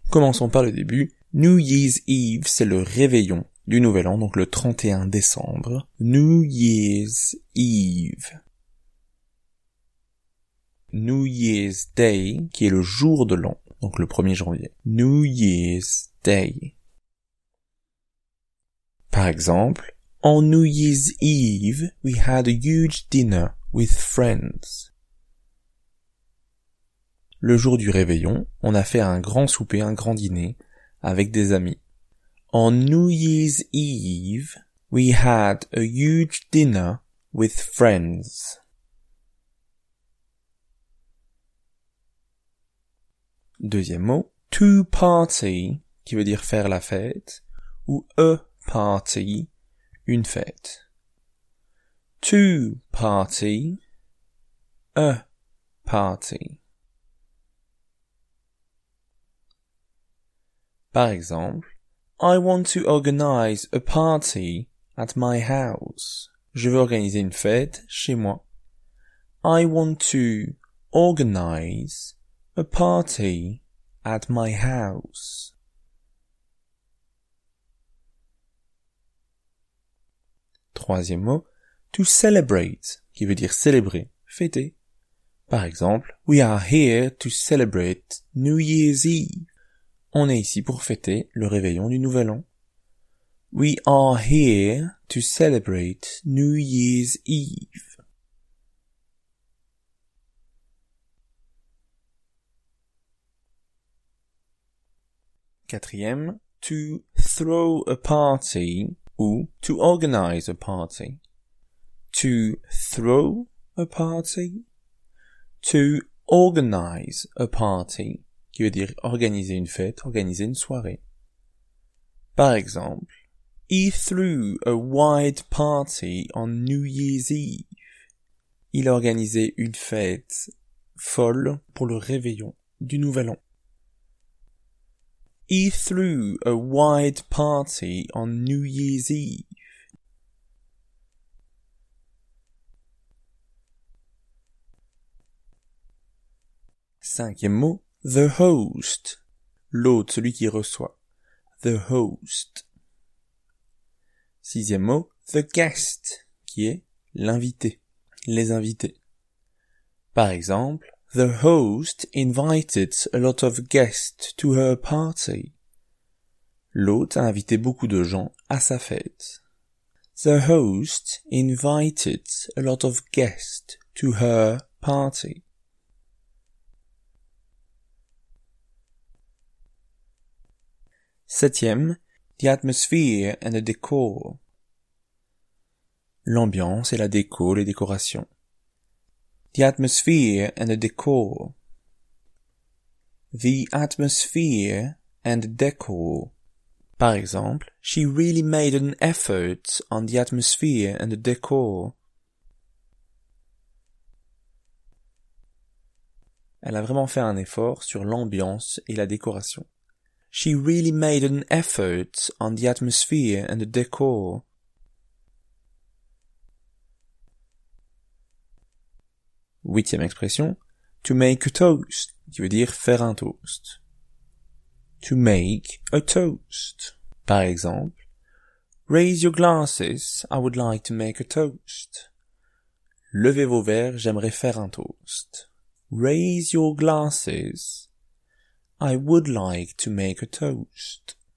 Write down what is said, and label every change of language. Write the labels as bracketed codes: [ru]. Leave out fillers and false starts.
[fr] Commençons par le début. New Year's Eve, c'est le réveillon du nouvel an, donc le 31 décembre. [en] New Year's Eve. [fr] New Year's Day, qui est le jour de l'an, donc le 1er janvier. [en] New Year's Day. [fr] Par exemple, [en] on New Year's Eve, we had a huge dinner with friends. [fr] Le jour du réveillon, on a fait un grand souper, un grand dîner, avec des amis. [en] On New Year's Eve, we had a huge dinner with friends. [fr] Deuxième mot, to party, qui veut dire faire la fête, ou a party, une fête. [en] To party, a party. [fr] Par exemple, [en] I want to organize a party at my house. [fr] Je veux organiser une fête chez moi. [en] I want to organize a party at my house. [fr] Troisième mot, to celebrate, qui veut dire célébrer, fêter. Par exemple, [en] we are here to celebrate New Year's Eve. [fr] On est ici pour fêter le réveillon du nouvel an. [en] We are here to celebrate New Year's Eve. [fr] Quatrième, to throw a party ou to organize a party. [en] To throw a party. To organize a party. [fr] Qui veut dire organiser une fête, organiser une soirée. Par exemple, [en] He threw a wide party on New Year's Eve. [fr] Il a organisé une fête folle pour le réveillon du Nouvel An. [en] He threw a wide party on New Year's Eve. [fr] Cinquième mot, the host. L'hôte, celui qui reçoit. [en] The host. [fr] Sixième mot, the guest, qui est l'invité, les invités. Par exemple, [en] the host invited a lot of guests to her party. [fr] L'hôte a invité beaucoup de gens à sa fête. [en] The host invited a lot of guests to her party. Septième, the atmosphere and the decor. [fr] L'ambiance et la déco, les décorations. [en] The atmosphere and the decor. The atmosphere and the decor. [fr] Par exemple, [en] she really made an effort on the atmosphere and the decor. [fr] Elle a vraiment fait un effort sur l'ambiance et la décoration. [en] She really made an effort on the atmosphere and the decor. [fr] Huitième expression, to make a toast, qui veut dire faire un toast. [en] To make a toast. [fr] Par exemple, [en] raise your glasses, I would like to make a toast. [fr] Levez vos verres, j'aimerais faire un toast. [en] Raise your glasses, I would like to make a toast.